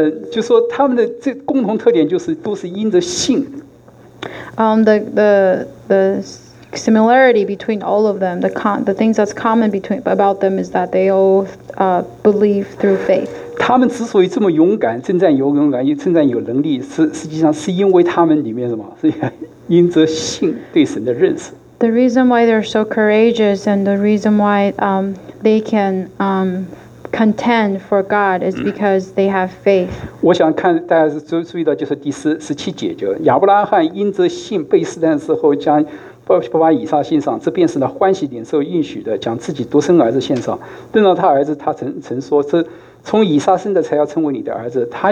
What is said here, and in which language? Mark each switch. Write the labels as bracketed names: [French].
[Chinese] 就说他们的这共同特点就是都是因着信。 [English] The similarity between all of them, the things that's common between about them is that they all believe through faith. [Chinese] 他们之所以这么勇敢，征战有勇敢，又征战有能力，实际上是因为他们里面什么？是因着信对神的认识。 [English] The reason why they're so courageous and the reason why they can contend for God is because they have faith. [Chinese] 我想看大家是注意到就是第十七节，就亚伯拉罕因着信被试探之后将不把以撒献上，这便是他欢喜领受应许的，将自己独生儿子献上。论到他儿子，他曾说，这从以撒生的才要称为你的儿子。